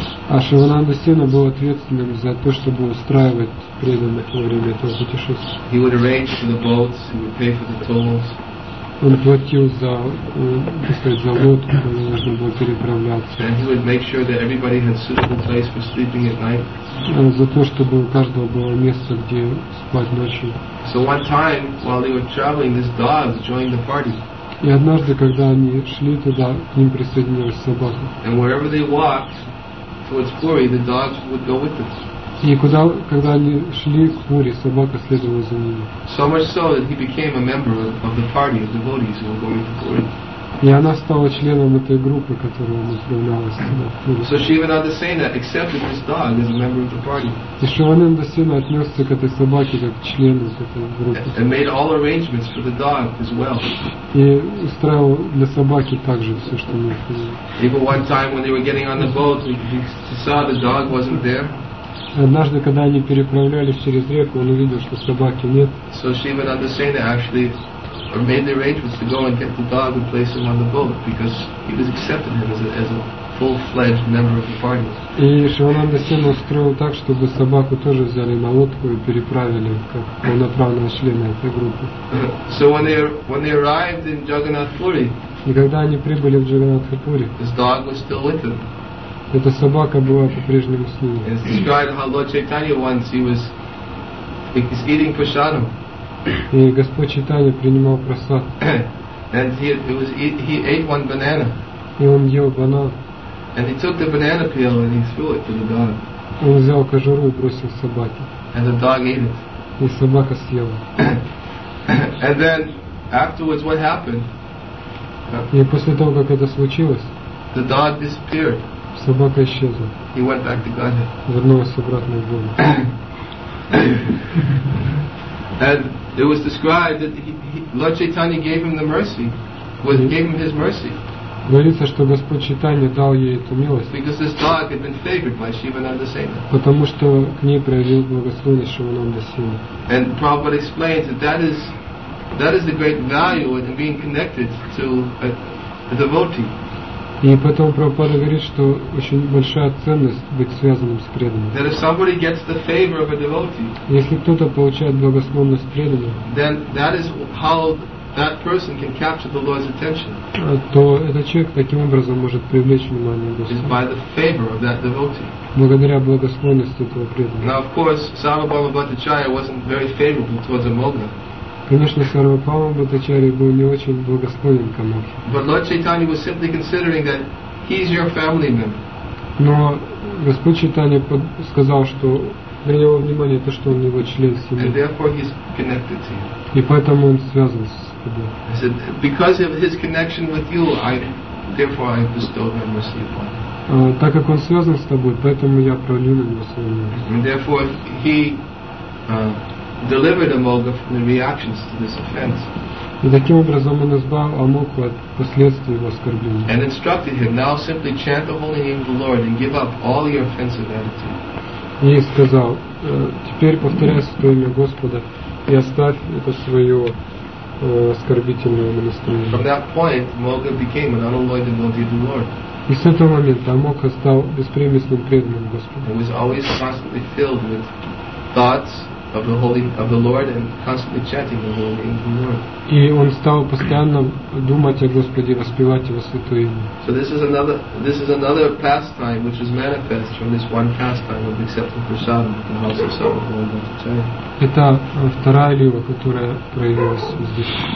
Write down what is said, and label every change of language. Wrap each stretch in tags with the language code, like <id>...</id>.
<ru>А Шивананда Сена был ответственным за то, чтобы устраивать преданных во время этого путешествия.</ru> <en>He would arrange for the boats, he would pay for the tolls.</en> <ru>Он платил за, так сказать, за лодку, которую нужно было переправляться.</ru> <en>And he would make sure that everybody had suitable place for sleeping at night.</en> <ru>За то, чтобы у каждого было место, где спать ночью.</ru> <en>So one time, while they were traveling, this dog joined the party.</en> <ru>И однажды, когда они шли туда, к ним присоединилась собака.</ru> <en>And wherever they walked towards Puri, the dog would go with them.</en> <ru>И куда, когда они шли к Пури, собака следовала за ними.</ru> <en>So much so that he became a member of the party of devotees who were going to Puri.</en> <ru>И она стала членом этой группы, которая направлялась туда.</ru> <en>So Shivananda Sena accepted this dog as a member of the party.</en> <ru>И Шивананда Сена отнесся к этой собаке как к члену этой группы.</ru> <en>And made all arrangements for the dog as well.</en> <ru>И устраивал для собаки также все, что нужно.</ru> <en>Even one time when they were getting on the boat, he saw the dog wasn't there.</en> <ru>Однажды, когда они переправлялись через реку, он увидел, что собаки нет.</ru> <en>So Shivananda Sena actually made the arrangements to go and get the dog and place him on the boat because he was accepted him as a full-fledged member of the party.</en> <ru>И Шивананда Сена устроил так, чтобы собаку тоже взяли на лодку и переправили как полноправного члена этой группы.</ru> <en>So when they arrived in Jagannath Puri,</en> <ru>и когда они прибыли в Джагнатха Пури,</ru> <en>his dog was still with him.</en> <ru>Эта собака была по-прежнему с ним.</ru> <en>It's described how Lord Chaitanya once he was eating prasadam.</en> <ru>И Господь Чайтанья принимал просад.</ru> <en>And he ate one banana.</en> <ru>И он ел банан.</ru> <en>And he took the banana peel and he threw it to the dog.</en> <ru>Он взял кожуру и бросил собаке.</ru> <en>And the dog ate it.</en> <ru>И собака съела.</ru> <en>And then afterwards, what happened?</en> <ru>И после того, как это случилось,</ru> <en>the dog disappeared.</en> <ru>Собака исчезла.</ru> <en>He went back to Godhead.</en> <ru>Вернулась обратно в Бога.</ru> <en>And it was described that Lord Chaitanya gave him the mercy, gave him his mercy.</en> <ru>Говорится, что Господь Чайтанья дал ей эту милость.</ru> <en>Because this dog had been favored by Shivananda Sena.</en> <ru>Потому что к ней проявил благословение Шивананда Сена.</ru> <en>And Prabhupada explains that that is the great value in being connected to a devotee.</en> <ru>И потом Прабхупада говорит, что очень большая ценность быть связанным с преданным.</ru> <en>That if somebody gets the favor of a devotee,</en> <ru>если кто-то получает благосклонность преданного,</ru> <en>then that is how that person can capture the Lord's attention.</en> <ru>То этот человек таким образом может привлечь внимание Господа.</ru> <en>Is by the favor of that devotee.</en> <ru>Благодаря благосклонности этого преданного.</ru> <en>Now of course, Сарвабхаума Бхаттачарья wasn't very favorable towards Amoga.</en> <ru>Конечно, Сарвапава Бхаттачарья был не очень благосклонен к Анохе.</ru> <en>But Lord Chaitanya was simply considering that he's your family member.</en> <ru>Но Господь Чайтанья сказал, что приняло внимание то, что он его член семьи.</ru> <en>And therefore he's connected to you.</en> <ru>И поэтому он связан с тобой.</ru> <en>He said, because of his connection with you, therefore I bestowed my mercy upon him.</en> <ru>Так как он связан с тобой, поэтому я пролил на него свою милость.</ru> <en>And therefore he delivered Amogha from the reactions to this offense.</en> <ru>И таким образом он избавил Амоху от последствий его оскорбления.</ru> <en>And instructed him, now simply chant the holy name of the Lord and give up all your offensive attitude.</en> <ru>И сказал, теперь повторяй святое имя Господа и оставь это свое оскорбительное настроение.</ru> <en>From that point, Amogha became an unalloyed devotee of the Lord.</en> <ru>И с этого момента Амокха стал беспримесным преданным Господу.</ru> <en>He was always constantly filled with thoughts of the holy of the Lord and constantly chanting the holy name of the Lord.</en> <ru>И он стал постоянно думать о Господе, воспевать его святое имя.</ru> <en>So this is another pastime which is manifest from this one pastime of accepting prasadam at the house of Sarvabhauma Bhattacharya.</en> <ru>Это вторая лила, которая проявилась здесь.</ru>